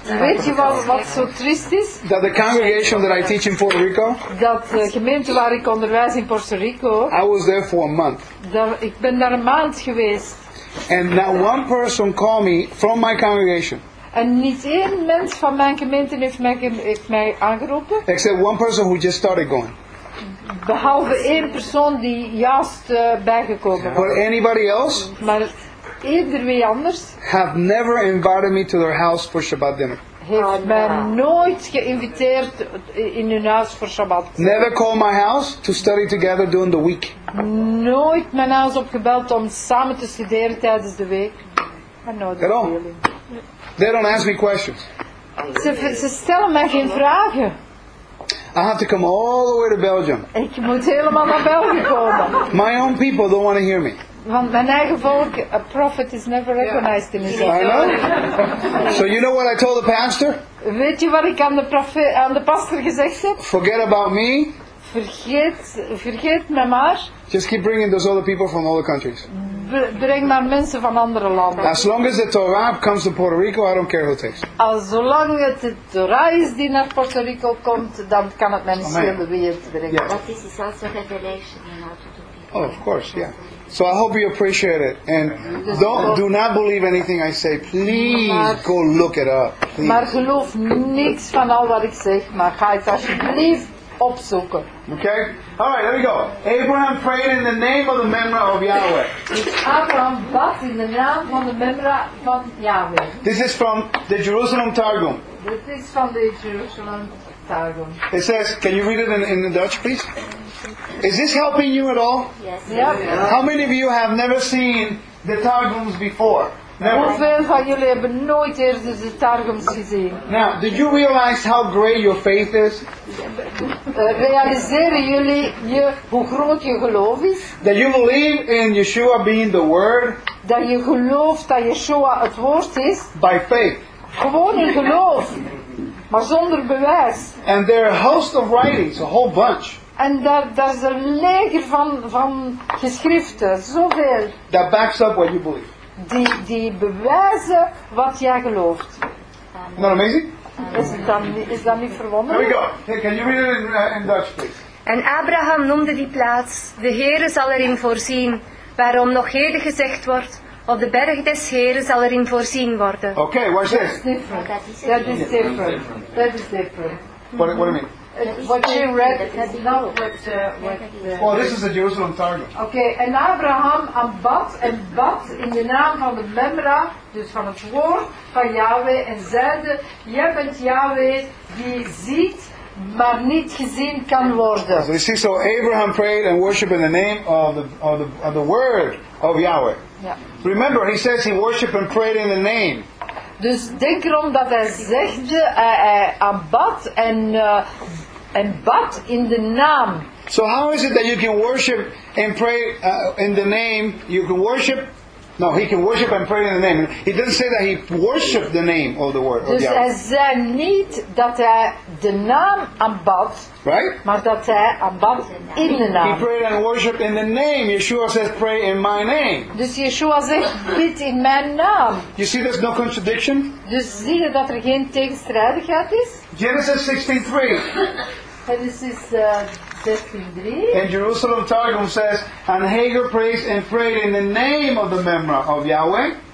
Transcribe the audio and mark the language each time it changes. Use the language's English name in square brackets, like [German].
[English] That the congregation that I teach in Puerto Rico. [Dutch] Dat gemeente waar ik onderwijs in Puerto Rico. [English] I was there for a month. [Dutch] Ik ben daar een maand geweest. [English] And not one person called me from my congregation. [Dutch] En niet één mens van mijn gemeente heeft mij aangeroepen. [English] Except one person who just started going. [Dutch] Behalve één persoon die juist bijgekomen was. [English] But anybody else? [Dutch] Maar ieder wie anders? [English] Have never invited me to their house for Shabbat dinner. [Dutch] Heeft mij nooit geïnviteerd in hun huis voor Shabbat. [English] Never called my house to study together during the week. [Dutch] Nooit mijn huis opgebeld om samen te studeren tijdens de week. [English] At all. They don't ask me questions. [Dutch] Ze stellen mij geen vragen. [English] I have to come all the way to Belgium. [Dutch] Ik moet helemaal naar België komen. [English] My own people don't want to hear me. [Dutch] Want mijn eigen volk, [English] a prophet is never recognized in his own. I know. So you know what I told the pastor? [Dutch] Weet je wat ik aan de pastor gezegd heb? [English] Forget about me. [Dutch] Vergeet me maar. [English] Just keep bringing those other people from other countries. [Dutch] Breng maar mensen van andere landen. [English] As long as the Torah comes to Puerto Rico, I don't care who takes. [Dutch] Als zolang het de Torah is die naar Puerto Rico komt, dan kan het mij niet schelen wie het brengt. [English] But this is also revelation in order to Oh, of course, yeah. So I hope you appreciate it. And do not believe anything I say. Please go look it up. Please. [Dutch] Maar geloof niks van al wat ik zeg, maar ga het alsjeblieft opzoeken. [English] Okay? All right, let me go. Abraham prayed in the name of the Memra of Yahweh. Abraham bad in the name of the Memra van Yahweh. This is from the Jerusalem Targum. This is from the Jerusalem Targum. It says, can you read it in Dutch, please? Is this helping you at all? Yes. Yep. How many of you have never seen the Targums before? [Dutch] Hoeveel van jullie hebben nooit eerder de Targums gezien? [English] Now, did you realize how great your faith is? [Dutch] Realiseren jullie hoe groot je geloof is? [English] That you believe in Yeshua being the Word? [Dutch] Dat je gelooft dat Yeshua het woord is? [English] By faith. [Dutch] Gewoon in geloof, maar zonder bewijs. [English] And there are a host of writings, a whole bunch. [Dutch] En daar is een leger van geschriften, zoveel. [English] That backs up what you believe. [Dutch] Die bewijzen wat jij gelooft. [English] Not amazing? [Dutch] Is dat niet verwonderlijk? [English] Here we go. Hey, can you read it in Dutch, please? [Dutch] En Abraham noemde die plaats, de Heere zal erin voorzien, waarom nog heden gezegd wordt, op de berg des Heeren zal erin voorzien worden. [English] Okay, what is this? That is different. What do you mean? What you read is not what... Oh, this is a Jerusalem Targum. Okay, and Abraham bad in the name of the Memra, [Dutch] dus van het woord van Yahweh, en zeide, jij bent Yahweh die ziet, maar niet gezien kan worden. [English] So you see, so Abraham prayed and worshiped in the name of the word of Yahweh. Yeah. Remember, he says he worshiped and prayed in the name. [Dutch] Dus denk erom dat hij zegt, aanbad en bad in de naam. [English] So how is it that you can worship and pray in the name? You can worship. No, he can worship and pray in the name. He doesn't say that he worshipped the name of the word. [Dutch] Dus hij zei niet dat hij de naam aanbad, [English] right? [Dutch] Maar dat hij aanbad in de naam. [English] He prayed and worshipped in the name. Yeshua says, pray in my name. [Dutch] Dus Yeshua zegt, bid in mijn naam. [English] You see there's no contradiction? [Dutch] Dus zie je dat er geen tegenstrijdigheid is? [English] Genesis 16:3. Genesis 16:3. And Jerusalem Targum says, and Hagar prays and prayed in the name of the Memra of Yahweh.